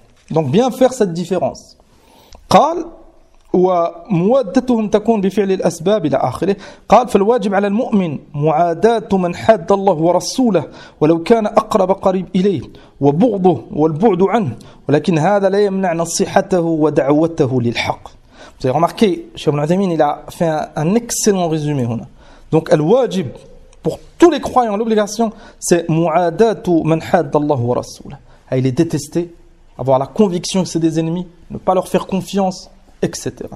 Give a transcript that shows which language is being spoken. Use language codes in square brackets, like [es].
[fr] Donc, bien faire cette différence. [ar] قال ومودتهم تكون بفعل الأسباب إلى آخره. قال فالواجب على المؤمن معاداة من حاد الله ورسوله ولو كان أقرب قريب إليه وبغضه والبعد عنه ولكن هذا لا يمنع نصيحته ودعوته للحق. [fr] Vous avez remarqué, Cheikh Ibn Uthaymeen, il a fait un excellent résumé [ar] هنا. [fr] Donc, le wajib pour tous les croyants, l'obligation, c'est [ar] معاداة من حاد الله ورسوله. [fr] Il est détesté avoir la conviction que c'est des ennemis, ne pas leur faire confiance, etc.